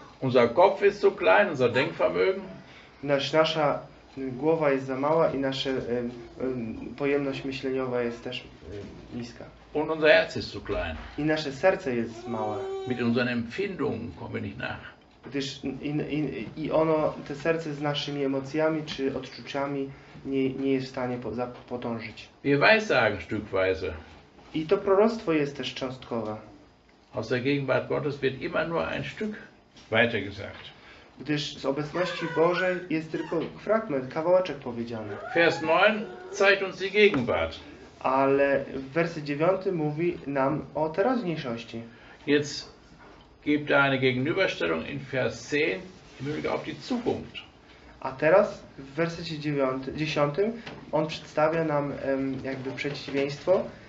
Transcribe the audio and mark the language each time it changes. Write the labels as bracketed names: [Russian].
[German] Unser Kopf ist zu klein, unser Denkvermögen. [Polish] Nasza głowa jest za mała i nasza pojemność myśleniowa jest też niska. [German] Und unser Herz ist zu klein. [Polish] I nasze serce jest małe. [German] Mit unseren Empfindungen kommen wir nicht nach. [Polish] Gdyż i ono, te serce z naszymi emocjami czy odczuciami nie jest w stanie podążyć. [German] Wir weissagen stückweise. [Polish] I to proroctwo jest też cząstkowe. [German] Aus der Gegenwart Gottes wird immer nur ein Stück weitergesagt. [Polish] Gdyż z obecności Bożej jest tylko fragment, kawałeczek powiedziany. [German] Vers 9 zeigt uns die Gegenwart. [Polish] Ale w wersie 9 mówi nam o teraźniejszości. [German] Jetzt gibt er eine Gegenüberstellung in Vers 10 im Hinblick auf die Zukunft. [Polish] A teraz w wersie 10 on przedstawia nam jakby przeciwieństwo.